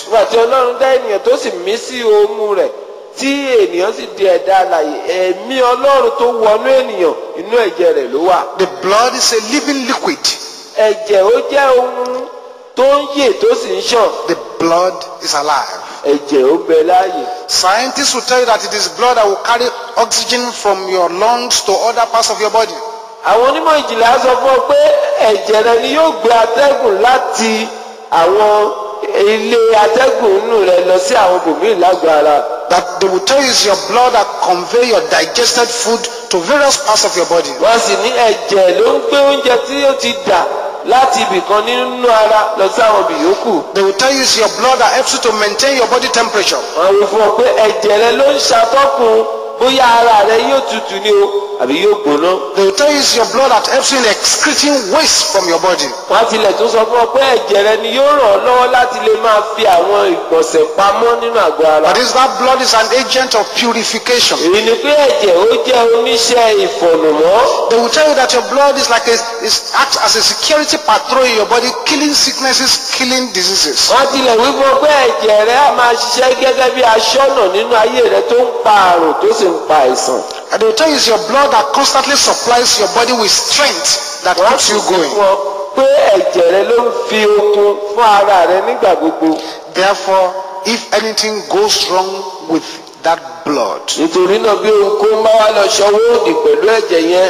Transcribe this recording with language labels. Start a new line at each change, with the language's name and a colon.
Yoruba: Wa ti Olorun da eniyan to si mi si omu re ti eniyan si di eda laye emi Olorun to wo nu eniyan inu eje re lo wa.
English: The blood is a living liquid.
Yoruba: Eje o je ohun to ye to si nsan.
English: The blood is alive.
Yoruba: Eje o be laye.
English: Scientists will tell you that it is blood that will carry oxygen from your lungs to other parts of your body.
Yoruba: Àwọn onímọ̀ ìjìnlẹ̀ á sọ fún ọ pé ẹ̀jẹ̀ rẹ ni yóò gbé atẹ́gùn láti àwọn ilé atẹ́gùn inú rẹ lọ sí àwọn bòmíì lágbára.
English: That they will tell you is your blood that convey your digested food to various parts of your body.
Yoruba: Wọ́n sì ní ẹ̀jẹ̀ ló ń gbé oúnjẹ tí ó ti dà láti ibìkan nínú ara lọ sí àwọn ibìyókù.
English: They will tell you is your blood that helps you to maintain your body temperature.
Yoruba: Wọ́n wí fún ọ pé ẹ̀jẹ̀ rẹ ló ń ṣàtọ́kùn bóyá ara rẹ yóò tutù ni o àbí yóò gbóná.
English: They will tell you is your blood that helps you in excreting waste from your body.
Yoruba: Wọ́n ti lẹ̀ tún sọ fún ọ pé ẹ̀jẹ̀ rẹ ni yóò ràn ọ́ lọ́wọ́ láti lè máa fi àwọn ìgbọ̀nsẹ̀ pamọ́ nínú àgọ́ ara.
English: That is, that blood is an agent of purification.
Yoruba: Èyí ni pé ẹ̀jẹ̀ ó jẹ́ oníṣẹ́ ìfọ̀nùmọ́.
English: They will tell you that your blood is like acts as a security patrol in your body, killing sicknesses, killing diseases.
Yoruba: Wọ́n ti lẹ̀ wí fún ọ pé ẹ̀jẹ̀ rẹ a máa ṣiṣẹ́ gẹ́gẹ́ bí aṣọ́nà nínú ayé rẹ tó ń pa àrùn tó sì ń pa àìsàn.
English: And they tell you is your blood that constantly supplies your body with strength that keeps you going.
Yoruba: Wọ́n ti sọ pé ẹ̀jẹ̀ rẹ ló ń fi okun fún ara rẹ nígbà gbogbo.
English: Therefore, if anything goes wrong with that blood.
Yoruba: Nítorí náà bí ohunkóhun bá wá lọ ṣọwọ́ òdì pẹ̀lú ẹ̀jẹ̀ yẹn.